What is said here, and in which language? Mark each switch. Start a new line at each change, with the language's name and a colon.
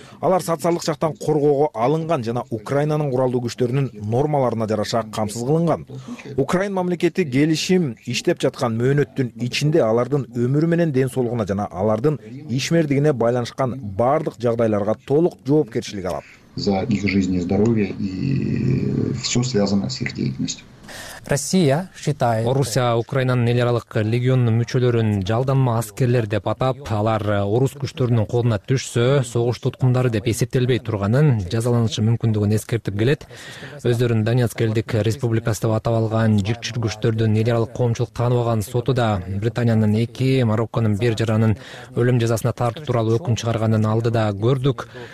Kyrgyz: Алар социалдык жактан коргоого алынган жана Украинанын куралдуу күчтөрүнүн нормаларына жараша камсыз кылынган. Украин мамлекети келишим иштеп жаткан мөөнөттүн ичинде алардын өмүрү менен ден соолугуна жана алардын ишмердигине байланышкан баардык жагдайларга толук жоопкерчилик алат.
Russian: За их жизнь и здоровье и все связано с их деятельностью. Россия считает.
Kyrgyz: Орусия Украинанын эл аралык легионунун мүчөлөрүн жалданма аскерлер деп атап, алар орус күчтөрүнүн колуна түшсө, согуш туткундары деп эсептелбей турганын жазаланышы мүмкүндүгүн эскертип келет. Өздөрүн Донецк элдик республикасы деп атап алган жүкчү күчтөрдүн эл аралык коомчулук таанып алган соту да Британиянын 2, Марокконун 1 жаранын өлүм жазасына тартуу тууралуу өкүм чыгарганын алдыда көрдүк.